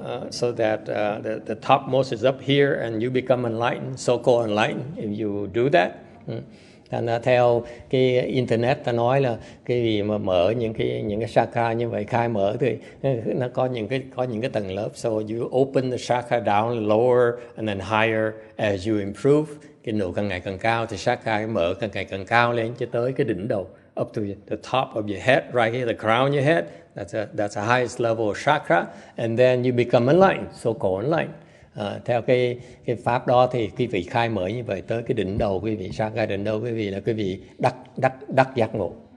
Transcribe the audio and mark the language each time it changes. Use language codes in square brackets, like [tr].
[en] So that the topmost is up here, and you become enlightened, so-called enlightened, if you do that. [vi] Thành ra theo cái internet ta nói là cái gì mà mở những cái chakra như vậy, khai mở thì nó có những cái tầng lớp. [en] So you open the chakra down lower and then higher as you improve, [vi] cái độ càng ngày càng cao thì chakra mở càng ngày càng cao lên cho tới cái đỉnh đầu, [en] up to the top of your head, right here, the crown of your head. That's the highest level of chakra, and then you become enlightened, so called enlightened. [vi] Theo cái pháp đó thì quý vị khai mở như vậy tới cái đỉnh đầu quý vị, sang cái đỉnh đầu quý vị là quý vị đắc giác ngộ.